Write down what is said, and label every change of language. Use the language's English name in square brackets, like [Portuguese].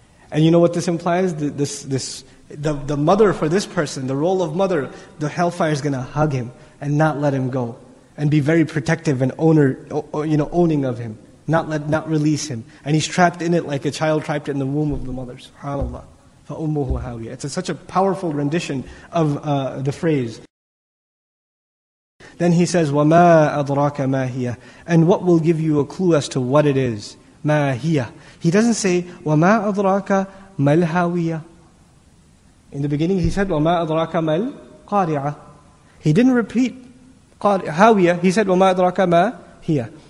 [English] And you know what this implies? The mother for this person, the role of mother, the hellfire is going to hug him and not let him go. And be very protective and owner, you know, owning of him. Not release him. And he's trapped in it like a child trapped in the womb of the mother. [Arabic] SubhanAllah. فَأُمُّهُ هَاوِيَةً. [English] It's such a powerful rendition of the phrase. Then he says, [Arabic] وَمَا أَدْرَاكَ مَا هِيَةً. [English] And what will give you a clue as to what it is? [Arabic] مَا هِيَةً. [English] He doesn't say, [Arabic] وَمَا أَدْرَاكَ [English] mal hawiyah? In the beginning he said, [Arabic] وَمَا أَدْرَاكَ مَا الْقَارِعَةِ. [English] He didn't repeat hawiyah, he said, [Arabic] وَمَا أَدْرَاكَ مَا هِيَة.